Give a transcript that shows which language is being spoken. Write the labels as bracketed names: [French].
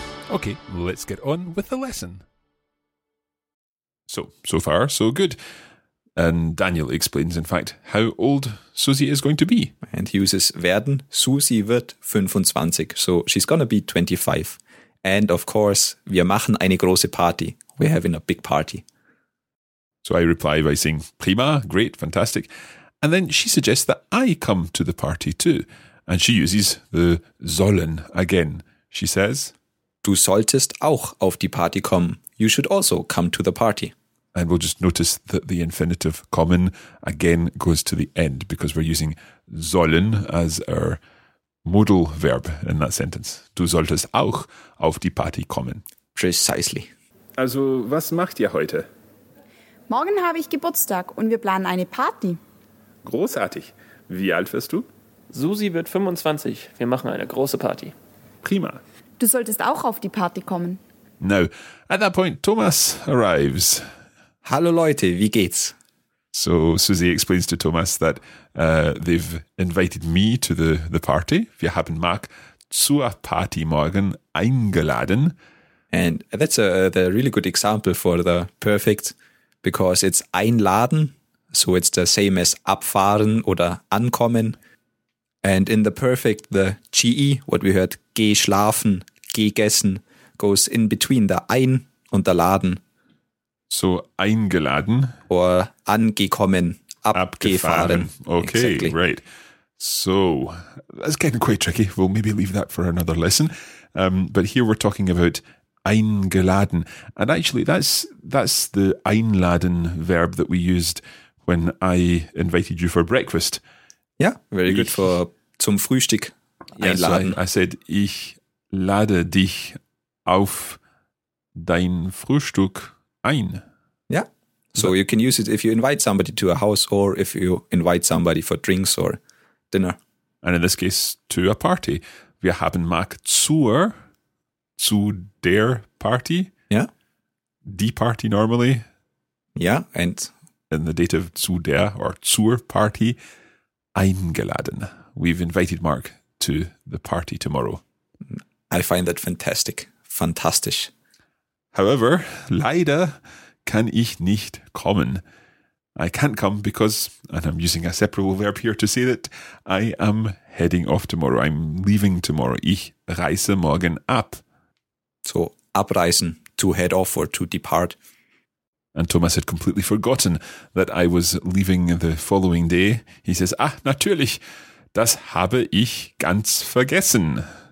[English] Okay, let's get on with the lesson. So far, so good. And Daniel explains, in fact, how old Susie is going to be. And he uses werden. [German] Susie wird 25. [English] So she's gonna be 25. And of course, [German] wir machen eine große Party. [English] We're having a big party. So I reply by saying, prima, great, fantastic. And then she suggests that I come to the party too. And she uses the sollen again. She says, [German] du solltest auch auf die Party kommen. [English] You should also come to the party. And we'll just notice that the infinitive kommen again goes to the end because we're using sollen as our modal verb in that sentence. [German] Du solltest auch auf die Party kommen. [English] Precisely. [German] Also, was macht ihr heute? Morgen habe ich Geburtstag und wir planen eine Party. Großartig. Wie alt wirst du? Susie wird 25. Wir machen eine große Party. Prima. Du solltest auch auf die Party kommen. [English] Now, at that point, Thomas arrives. [German] Hallo Leute, wie geht's? [English] So Susie explains to Thomas that they've invited me to the party. [German] Wir haben Mark zur Party morgen eingeladen. [English] And that's a really good example for the perfect, because it's einladen, so it's the same as abfahren oder ankommen. And in the perfect, the GE, what we heard, geh schlafen, geh gessen, goes in between the ein und der laden. So eingeladen. Or angekommen, abgefahren. Okay, exactly. Right. So that's getting quite tricky. We'll maybe leave that for another lesson. But here we're talking about eingeladen. And actually that's the einladen verb that we used when I invited you for breakfast. Yeah, very good for [German] zum Frühstück einladen. [English] So I said, [German] ich lade dich auf dein Frühstück ein. [English] Yeah, so you can use it if you invite somebody to a house or if you invite somebody for drinks or dinner. and in this case, to a party. [German] Wir haben Mark zu der Party. [English] Yeah. Die Party normally. Yeah, and in the dative zu der or [German] zur Party eingeladen. [English] We've invited Mark to the party tomorrow. I find that fantastic. Fantastisch. [German] However, leider kann ich nicht kommen. [English] I can't come because, and I'm using a separable verb here to say that, I am heading off tomorrow. I'm leaving tomorrow. [German] Ich reise morgen ab. [English] So, abreisen, to head off or to depart. And Thomas had completely forgotten that I was leaving the following day. He says, [German] ah, natürlich, das habe ich ganz vergessen.